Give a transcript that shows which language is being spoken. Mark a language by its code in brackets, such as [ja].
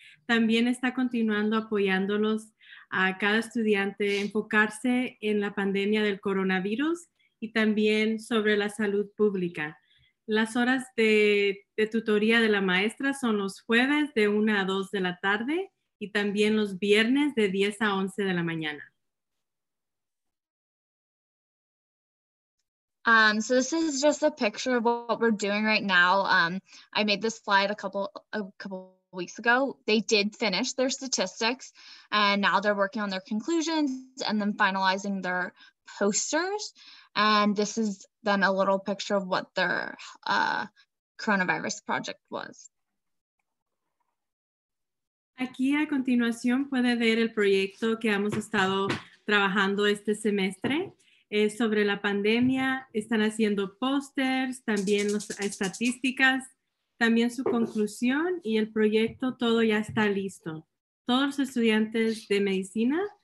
[es] También está continuando apoyándolos a cada estudiante enfocarse en la pandemia del coronavirus y también sobre la salud pública. Las horas de tutoría de la maestra son los jueves de 1 a 2 de la tarde y también los viernes de 10 a 11 de la mañana. [en] So this is just a picture of what we're doing right now. I made this slide a couple weeks ago. They did finish their statistics and now they're working on their conclusions and then finalizing their posters. And this is then a little picture of what their coronavirus project was. [es] Aquí a continuación puede ver el proyecto que hemos estado trabajando este semestre. Es sobre la pandemia, están haciendo posters, también las estadísticas, también su conclusión y el proyecto, todo ya está listo. Todos los estudiantes de medicina